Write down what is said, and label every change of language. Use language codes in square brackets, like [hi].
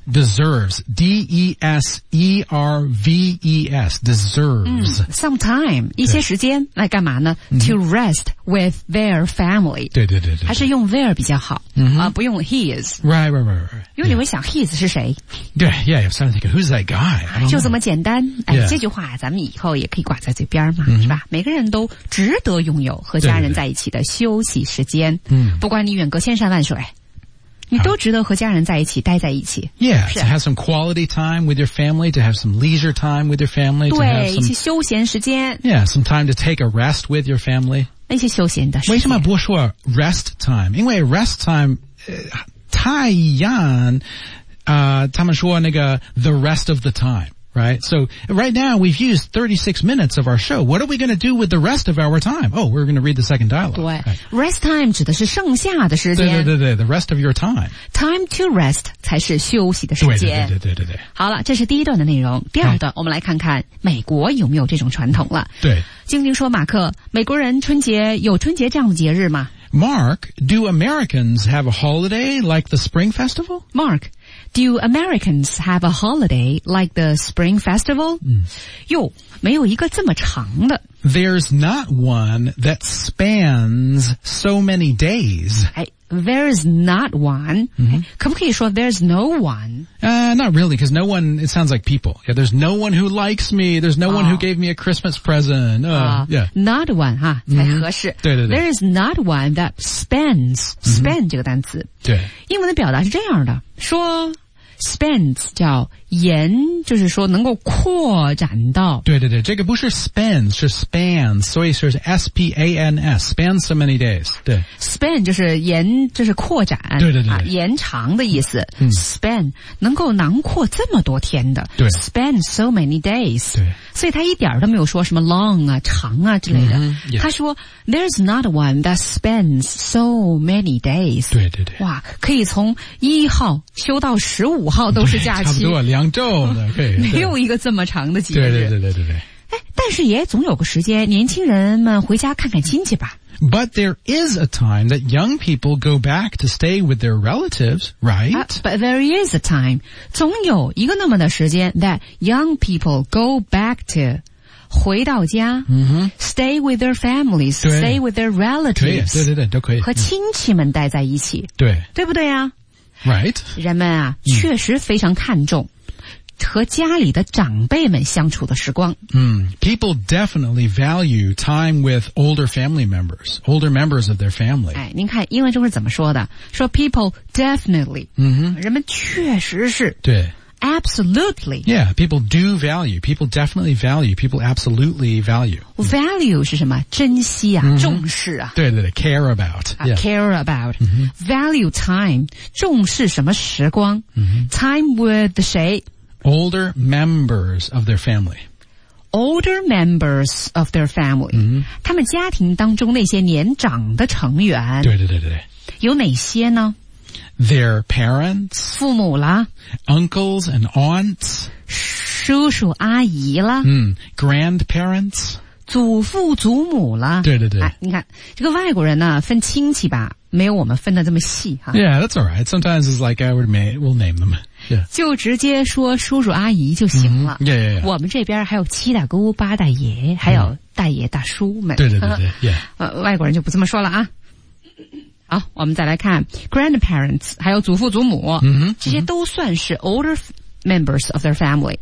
[en] deserves D-E-S-E-R-V-E-S deserves、嗯、sometime [zh] 一些时间来干嘛呢、 [en] 嗯、to rest with their family [zh] 对对 对, 对, 对还是用 their 比较好、嗯不用 his [en] right right right, right. [zh] 因为你会想、yeah. his 是谁 [en] 对 yeah I'm starting to think who's that guy [zh] 就这么简单、哎 [en] yeah. [zh] 这句话咱们以后也可以挂在嘴边嘛、嗯、是吧每个人都值得拥有和家人在一起的休息时间嗯、不管你远隔千山万水你都值得和家人在一起待在一起 [en] Yeah, to have some quality time with your family to have some leisure time with your family [zh] 对 [en] to have some, [zh] 一些休闲时间 [en] Yeah, some time to take a rest with your family [zh] 一些休闲的时间为什么不说 rest time 因为 rest time、太阳、他们说那个 [en] the rest of the time Right? So, right now, we've used 36 minutes of our show. What are we going to do with the rest of our time? Oh, we're going to read the second dialogue. [zh] 对、right. Rest time 指的是剩下的时间。 [en] 对对对对 the rest of your time. [zh] Time to rest 才是休息的时间。对对对对对 对, 对。好了，这是第一段的内容。第二段、啊、我们来看看美国有没有这种传统了。对。晶晶说马克，美国人春节有春节这样的节日吗？ [en] Mark, do Americans have a holiday like the Spring Festival? Mark,Do Americans have a holiday like the Spring Festival? 哟、嗯、 [zh] 没有一个这么长的。 [en] There's not one that spans so many days. There's not one.、嗯、 [zh] 可不可以说 [en] there's no one?、 Not really, because no one, it sounds like people. Yeah, there's no one who likes me. There's no、oh. one who gave me a Christmas present.、Yeah. Not one, 哈、huh? 才合适、 [zh] 嗯、对对对 [en] There is not one that spans,、嗯、span [zh] 这个单词。对。英文的表达是这样的。说 spans 叫延就是说能够扩展到对对对这个不是 spans 是 spans 所以说是 S-P-A-N-S [en] spans so many days [zh] 对 span 就是延就是扩展对对对、啊、延长的意思、嗯、 span 能够囊括这么多天的对 [en] span so many days [zh] 对所以他一点都没有说什么 long 啊长啊之类的、嗯、他说 [en] there's not one that spans so many days [zh] 对对对哇可以从1号休到15号都是假期差不多两周的可以没有一个这么长的节日对对对对对对但是也总有个时间年轻人们回家看看亲戚吧 [en] But there is a time that young people go back to stay with their relatives, right?、 But there is a time [zh] 总有一个那么的时间 [en] that young people go back to [zh] 回到家、 mm-hmm. [en] stay with their families stay with their relatives [zh] 对对对都可以和亲戚们待在一起对对不对啊 [en] Right. [zh] 人们啊、嗯、确实非常看重和家里的长辈们相处的时光。 [en] 嗯 ,people definitely value time with older family members, older members of their family. [zh] 哎您看英文中是怎么说的说 [en] people definitely, 嗯哼 [zh] 人们确实是。对。 [en] Absolutely. Yeah, people do value. People definitely value. People absolutely value. [zh] Value 是什么？珍惜啊、 mm-hmm. 重视啊。 [en] 对对对 ,care about.、Yeah. Care about.、 Mm-hmm. [zh] Value time, 重视什么时光、 mm-hmm. [en] ?Time with 谁 ?Older members of their family. Older members of their family.、 Mm-hmm. [zh] 他们家庭当中那些年长的成员。对对对对。有哪些呢 [en] Their parents, [zh] 父母啦 [en] uncles and aunts, [zh] 叔叔阿姨啦、 [en] 嗯、grandparents, [zh] 祖父祖母啦对对对、啊、你看这个外国人呢分亲戚吧没有我们分的这么细哈 [en] Yeah, that's alright. Sometimes it's like I would we'll name them.、Yeah. [zh] 就直接说叔叔阿姨就行了、 [en] mm-hmm. yeah, yeah, yeah. [zh] 我们这边还有七大姑八大爷还有大爷大叔们、 mm-hmm. 对对对对、yeah. 外国人就不这么说了啊好我们再来看 grandparents, 还有祖父祖母、 mm-hmm, 这些都算是 [en] older members of their family.